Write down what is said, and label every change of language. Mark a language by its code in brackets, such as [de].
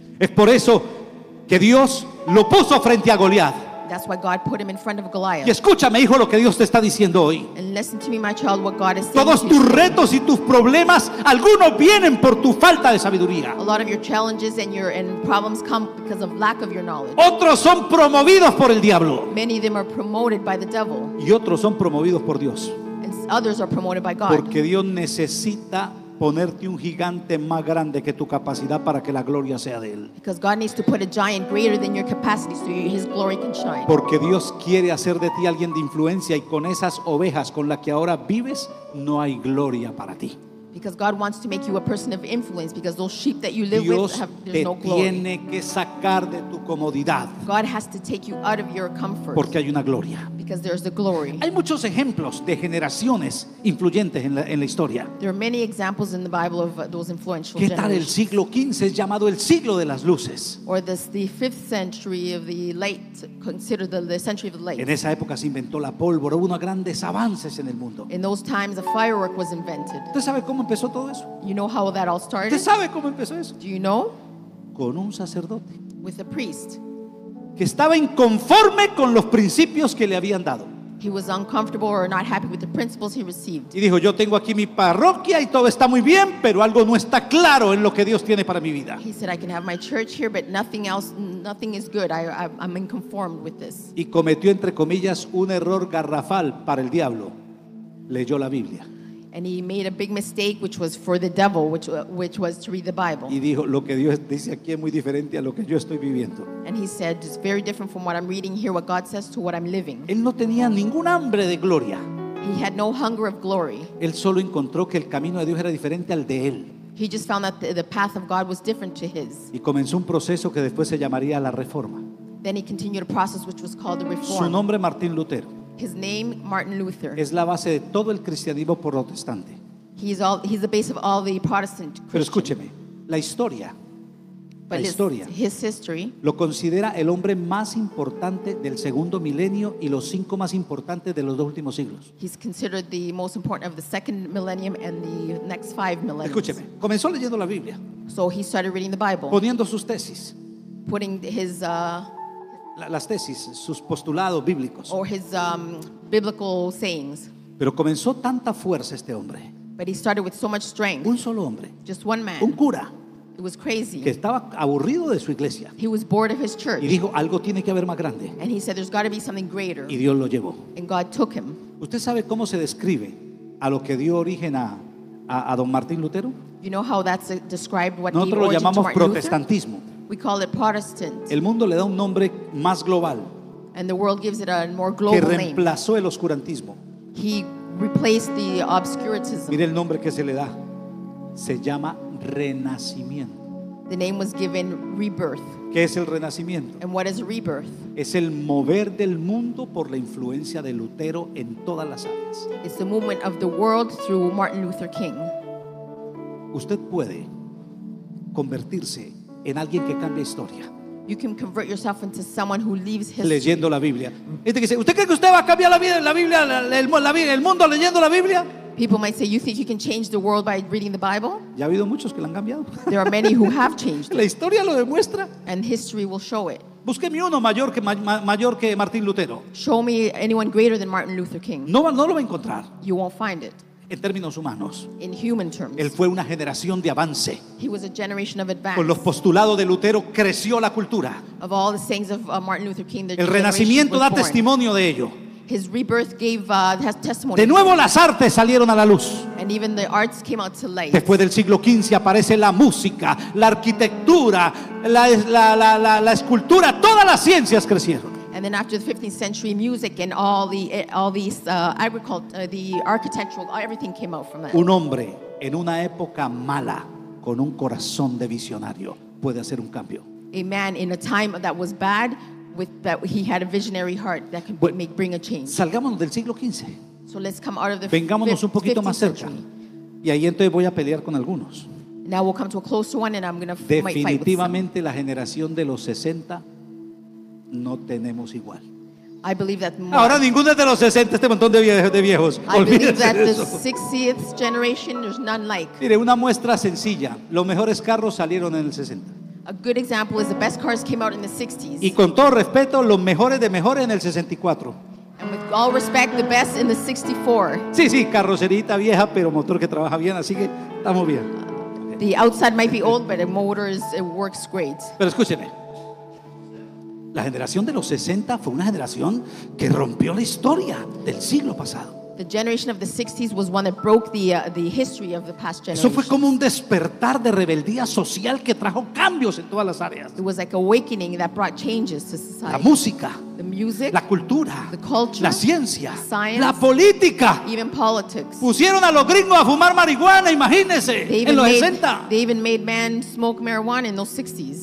[es] Es por eso que Dios lo puso frente a Goliat. [en] That's why God put him in front of Goliath. [es] Y escúchame, hijo, lo que Dios te está diciendo hoy. [en] And listen to me, my child, what God is saying. [es] Todos tus retos y tus problemas, algunos vienen por tu falta de sabiduría. [en] A lot of your challenges and problems come because of lack of your knowledge. [es] Otros son promovidos por el diablo. [en] Many of them are promoted by the devil. [es] Y otros son promovidos por Dios. [en] And others are promoted by God. [es] Porque Dios necesita ponerte un gigante más grande que tu capacidad para que la gloria sea de él. [en] Because God needs to put a giant greater than your capacity so his glory can shine. [es] Porque Dios quiere hacer de ti alguien de influencia y con esas ovejas con las que ahora vives no hay gloria para ti. [en] Because God wants to make you a person of influence because those sheep that you live [es] Dios [en] with have [es] te [en] no glory. [es] Tiene que sacar de tu comodidad. [en] God has to take you out of your comfort. [es] Porque hay una gloria. [en] Because because there's the glory. [es] Hay muchos ejemplos de generaciones influyentes en la historia. [en] There are many examples in the Bible of those influential generations. [es] ¿Qué tal el siglo XV es llamado el siglo de las luces? [en] Or this the 5th century of the light, considered the century of the light. [es] En esa época se inventó la pólvora, hubo unos grandes avances en el mundo. [en] In those times a firework was invented. [es] ¿Usted sabe cómo empezó todo eso? [en] You know how that all started? [es] ¿Usted sabe cómo empezó eso? [en] Do you know? [es] Con un sacerdote. [en] With a priest. [es] Que estaba inconforme con los principios que le habían dado. [en] He was uncomfortable or not happy with the principles he received. [es] Y dijo, yo tengo aquí mi parroquia y todo está muy bien, pero algo no está claro en lo que Dios tiene para mi vida. [en] He said, I can have my church here, but nothing else, nothing is good. I'm inconformed with this. [es] Y cometió, entre comillas, un error garrafal para el diablo. Leyó la Biblia. [en] And he made a big mistake, which was for the devil, which was to read the Bible. [es] Y dijo, lo que Dios dice aquí es muy diferente a lo que yo estoy viviendo. [en] And he said, it's very different from what I'm reading here, what God says to what I'm living. [es] Él no tenía ningún hambre de gloria. [en] He had no hunger of glory. [es] Él solo encontró que el camino de Dios era diferente al de él. [en] He just found that the path of God was different to his. [es] Y comenzó un proceso que después se llamaría la Reforma. [en] Then he continued a process which was called the Reform. [es] Su nombre, Martín Lutero. [en] His name, Martin Luther. [es] Es la base de todo el cristianismo protestante. [en] He's the base of all the Protestant Christians. [es] Pero escúcheme, la historia, [en] but [es] la historia, [en] his history, [es] lo considera el hombre más importante del segundo milenio y los cinco más importantes de los dos últimos siglos. [en] He's considered the most important of the second millennium and the next five millennia. [es] Escúcheme, comenzó leyendo la Biblia. [en] So he started reading the Bible. [es] Poniendo sus tesis. [en] Putting his [es] las tesis, sus postulados bíblicos. [en] Or his biblical sayings. [es] Pero comenzó tanta fuerza este hombre. [en] But he started with so much strength. [es] Un solo hombre. [en] Just one man. [es] Un cura. [en] It was crazy. [es] Que estaba aburrido de su iglesia. [en] He was bored of his church. [es] Y dijo, algo tiene que haber más grande. [en] And he said, there's got to be something greater. [es] Y Dios lo llevó. [en] And God took him. [es] ¿Usted sabe cómo se describe a lo que dio origen a don Martín Lutero? [en] You know how that's described what [es] nosotros lo llamamos protestantismo. [en] Luther? We call it Protestant. [es] El mundo le da un nombre más global. [en] And the world gives it a more global name. [es] Que reemplazó el oscurantismo. [en] He replaced the obscurantism. [es] Mire el nombre que se le da. Se llama renacimiento. [en] The name was given rebirth. [es] ¿Qué es el renacimiento? [en] And what is rebirth? [es] Es el mover del mundo por la influencia de Lutero en todas las áreas. [en] It's the movement of the world through Martin Luther King. [es] Usted puede convertirse en alguien que cambia historia. [en] You can convert yourself into someone who leaves history. [es] Leyendo la Biblia. Este que dice, ¿usted cree que usted va a cambiar la Biblia, el mundo leyendo la Biblia? [en] People might say, you think you can change the world by reading the Bible? [es] Ya ha habido muchos que la han cambiado. [en] There are many who have changed. [es] La historia lo demuestra. [en] And history will show it. [es] Búsqueme uno mayor que Martín Lutero. [en] Show me anyone greater than Martin Luther King. [es] No lo va a encontrar. [en] You won't find it. [es] En términos humanos, [en] in human terms, [es] él fue una generación de avance. [en] He was a generation of advance. [es] Con los postulados de Lutero creció la cultura. [en] Of all the sayings of Martin Luther King, [es] el renacimiento da testimonio de ello. [en] His rebirth gave has testimony. [es] De nuevo las artes salieron a la luz. [en] And even the arts came out to light. [es] Después del siglo XV aparece la música, la arquitectura, la escultura, todas las ciencias crecieron. [en] And then after the 15th century, music and all these agriculture, the architectural, everything came out from that. [es] Un hombre en una época mala con un corazón de visionario puede hacer un cambio. [en] A man in a time that was bad, he had a visionary heart that could bring a change. [es] Salgámonos del siglo XV. [en] So let's come out of the 15th century. [es] Vengámonos un poquito más cerca. Y ahí entonces voy a pelear con algunos. [en] Now we'll come to a closer one, and I'm going to fight with some. [es] Definitivamente la generación de los 60. No tenemos igual. [en] I believe that more. [es] Ahora ninguno es de los 60, este montón de viejos. Olvídense [en] I believe that [es] de eso. [en] The 60th generation, there's none like. [es] Mire, una muestra sencilla. Los mejores carros salieron en el 60. [en] A good example is the best cars came out in the 60s. [es] Y con todo respeto, los mejores de mejores en el 64. [en] And with all respect, the best in the 64. [es] Sí, sí, carrocerita vieja, pero motor que trabaja bien, así que estamos bien. [en] The outside might be old, but the motor works great. [es] Pero escúcheme. La generación de los 60 fue una generación que rompió la historia del siglo pasado. [en] The generation of the 60s was one that broke the history of the past generation. [es] Eso fue como un despertar de rebeldía social que trajo cambios en todas las áreas. [en] It was like awakening that brought changes to society. [es] La música, [en] the music, [es] la cultura, [en] the culture, [es] la ciencia, [en] the science, [es] la política, [en] even politics. [es] Pusieron a los gringos a fumar marihuana, imagínense, en los 60. [en] They even made men smoke marijuana in those 60s.